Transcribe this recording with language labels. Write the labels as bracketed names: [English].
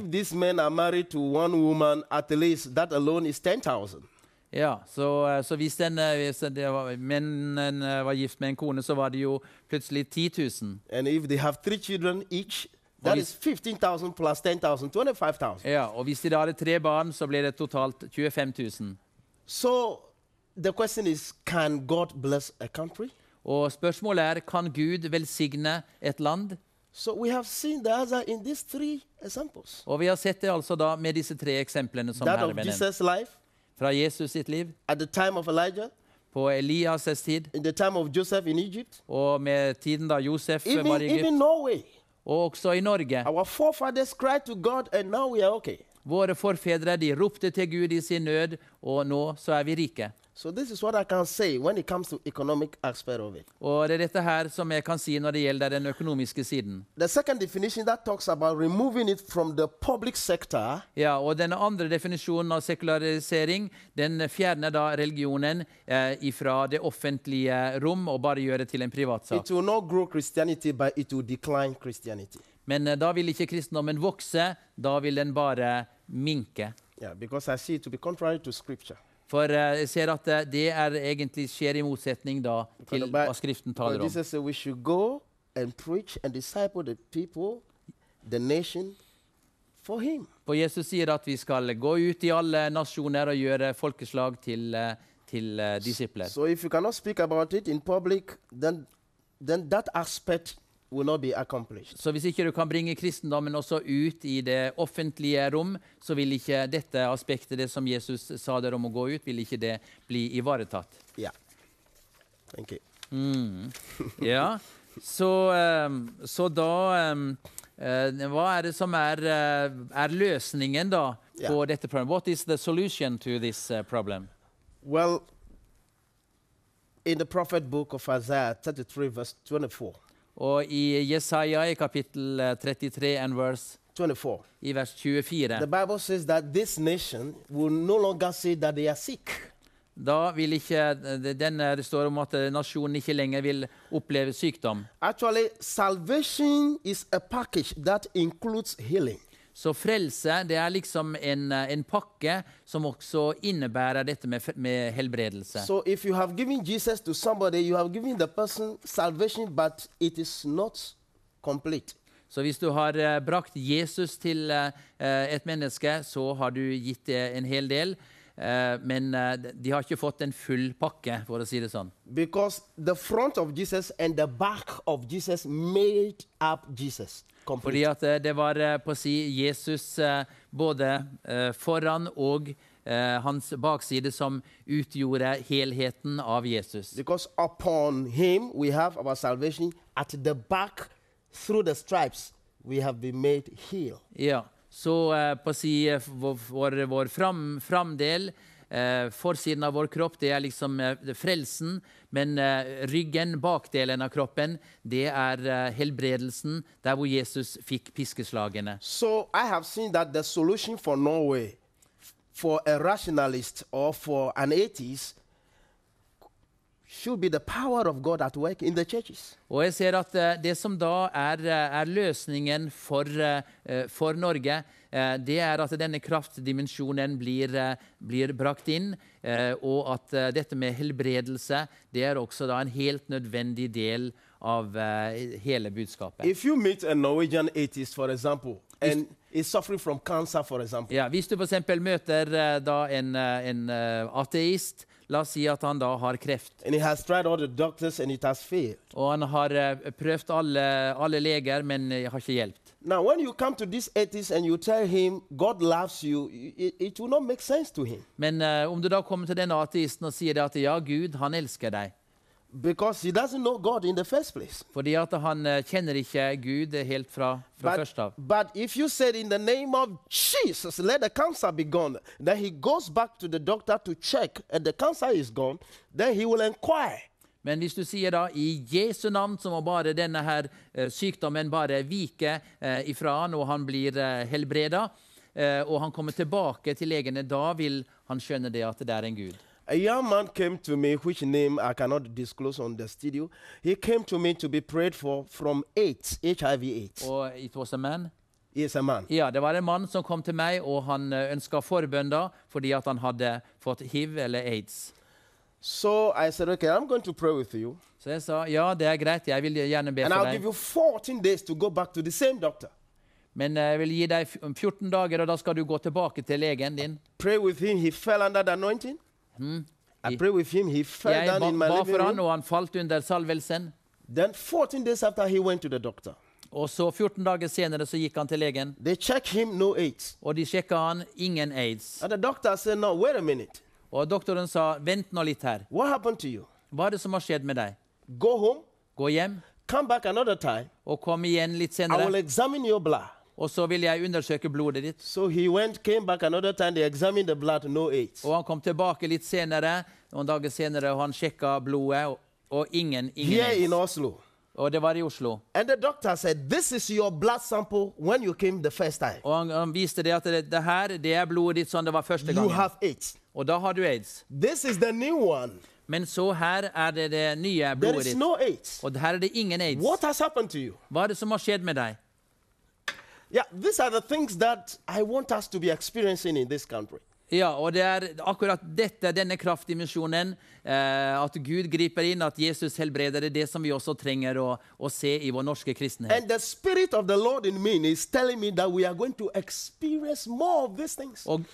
[English] If these men are married to one woman, at least that alone is 10.000. [Norwegian] Ja, så hvis mennene var gift med en kone, så var det jo plutselig 10.000. [English] And if they have three children each, that is 15.000 plus 10.000, 25.000. [Norwegian] Ja, og hvis de da hadde tre barn, så ble det totalt 25.000. [English] So the question is, can God bless a country? [Norwegian] Og spørsmålet er, kan Gud velsigne et land? [English] So we have seen the other in these three examples. [Norwegian] Og vi har sett det altså da med disse tre eksemplene som her er Jesus' [English] life. [Norwegian] Fra Jesus sitt liv. [English] At the time of Elijah. [Norwegian] På Elias' tid. [English] In the time of Joseph in Egypt. [Norwegian] Og med tiden da Josef [English] even, [Norwegian] var i Egypt. [English] Even Norway. [Norwegian] Og også i Norge. [English] Our forefathers cried to God and now we are okay. [Norwegian] Våre forfedre de ropte til Gud i sin nød, og nå så er vi rike. [English] So this is what I can say when it comes to economic aspect of it. [Norwegian] Og det er dette her som jeg kan si når det gjelder den økonomiske siden. [English] The second definition that talks about removing it from the public sector. [Norwegian] Ja, og den andre definisjonen av sekularisering, den fjerner da religionen ifra det offentlige rom og bare gjør det til en privatsak. [English] It will not grow Christianity, but it will decline Christianity. [Norwegian] Men da vil ikke kristendommen vokse, da vil den bare minke. [English] Yeah, because I see it to be contrary to scripture. [Norwegian] For jeg ser at det er egentlig skjer i motsetning da til hva skriften taler om. [English] Jesus said we should go and preach and disciple the people, the nation for him. [Norwegian] For Jesus sier at vi skal gå ut i alle nasjoner og gjøre folkeslag til disipler. [English] So if you cannot speak about it in public, then that aspect will not be accomplished. [Norwegian] Så hvis ikke du kan bringe kristendommen også ut i det offentlige rom, så vil ikke dette aspektet, det som Jesus sa der om å gå ut, vil ikke det bli ivaretatt. [English] Ja. Yeah. Thank you. [Norwegian] Ja. Så hva er det som er løsningen da på dette problemet? [English] What is the solution to this problem? Well, in the prophet book of Isaiah 33 verse 24. [Norwegian] Og i Jesaja i kapittel 33 and verse 24. I vers 24. [English] The Bible says that this nation will no longer say that they are sick. [Norwegian] Da vil ikke denne, det står om at nasjonen ikke lenger vil oppleve sykdom. [English] Actually, salvation is a package that includes healing. [Norwegian] Så frelse, det er liksom en pakke som også innebærer dette med helbredelse. [English] So if you have given Jesus to somebody, you have given the person salvation, but it is not complete. [Norwegian] Så hvis du har brakt Jesus til et menneske, så har du gitt det en hel del, men de har ikke fått en full pakke, for å si det sånn. [English] Because the front of Jesus and the back of Jesus made up Jesus. [Norwegian] Fordi at det var på å si Jesus både foran og hans bakside som utgjorde helheten av Jesus. [English] Because upon him we have our salvation, at the back through the stripes we have been made healed. [Norwegian] Ja, så på å si vår framdel, forsiden av vår kropp, det er liksom frelsen, men ryggen, bakdelen av kroppen, det er helbredelsen, der hvor Jesus fikk piskeslagene. [English] So I have seen that the solution for Norway, for a rationalist or for an atheist, should be the power of God at work in the churches. [Norwegian] Og jeg ser at det som da er løsningen for Norge, det er at denne kraftdimensjonen blir brakt inn, og at dette med helbredelse, det er også da en helt nødvendig del av hele budskapet. [English] If you meet a Norwegian atheist, for example, and is suffering from cancer, for example. [Norwegian] Ja, hvis du for eksempel møter da en ateist, la oss si at han da har kreft. [English] And he has tried all the doctors and it has failed. [Norwegian] Og han har prøvd alle leger, men har ikke hjulpet. [English] Now, when you come to this atheist and you tell him God loves you, it will not make sense to him. [Norwegian] Men om du da kommer til denne ateisten og sier at ja, Gud, han elsker deg. [English] Because he doesn't know God in the first place. [Norwegian] Fordi at han kjenner ikke Gud helt fra først av. [English] But if you said in the name of Jesus, let the cancer be gone, then he goes back to the doctor to check and the cancer is gone, then he will inquire. [Norwegian] Men hvis du sier da i Jesu navn, så må bare denne her sykdommen bare vike ifra han, og han blir helbredet, og han kommer tilbake til legene, da vil han skjønne det at det er en Gud. [English] A young man came to me, which name I cannot disclose on the studio. He came to me to be prayed for from AIDS, HIV-AIDS. Og it was a man? Yes, a man. [Norwegian] Ja, det var en mann som kom til meg, og han ønsket forbønn da, fordi at han hadde fått HIV eller AIDS. [English] So I said, okay, I'm going to pray with you. [Norwegian] Så jeg sa, ja, det er greit, jeg vil gjerne be for deg. [English] And I'll give you 14 days to go back to the same doctor. [Norwegian] Men jeg vil gi deg 14 dager, og da skal du gå tilbake til legen din. [English] Pray with him, he fell under the anointing. Mm. I pray with him, he fell down in my living room. [Norwegian] Og han falt under salvelsen. [English] Then 14 days after he went to the doctor. [Norwegian] Og så 14 dager senere så gikk han til legen. [English] They check him, no AIDS. [Norwegian] Og de sjekket han, ingen AIDS. [English] And the doctor said, no, wait a minute. [Norwegian] Og doktoren sa, vent nå litt her. [English] What happened to you? [Norwegian] Hva er det som har skjedd med deg? [English] Go home. [Norwegian] Gå hjem. [English] Come back another time. [Norwegian] Og kom igjen litt senere. [English] I will examine your blood. [Norwegian] Og så vil jeg undersøke blodet ditt. [English] So he went, came back another time, they examined the blood, no AIDS. [Norwegian] Og han kom tilbake litt senere, noen dager senere, og han sjekket blodet, og ingen [English] AIDS. Here in Oslo. [Norwegian] Og det var i Oslo. [English] And the doctor said, this is your blood sample when you came the first time. [Norwegian] Og han viste det at det her, det er blodet ditt som det var første gang. [English] You have AIDS. [Norwegian] Og da har du AIDS. [English] This is the new one. [Norwegian] Men så her er det det nye blodet ditt. [English] There is no AIDS. [Norwegian] Og her er det ingen AIDS. [English] What has happened to you? [Norwegian] Hva er det som har skjedd med deg? [English] Yeah, these are the things that I want us to be experiencing in this country. [Norwegian] Ja, og det er akkurat dette, denne kraftdimensjonen, at Gud griper inn, at Jesus helbreder, det er det som vi også trenger å se i vår norske kristenhet. [English] And the spirit of the Lord in me is telling me that we are going to experience more of these things.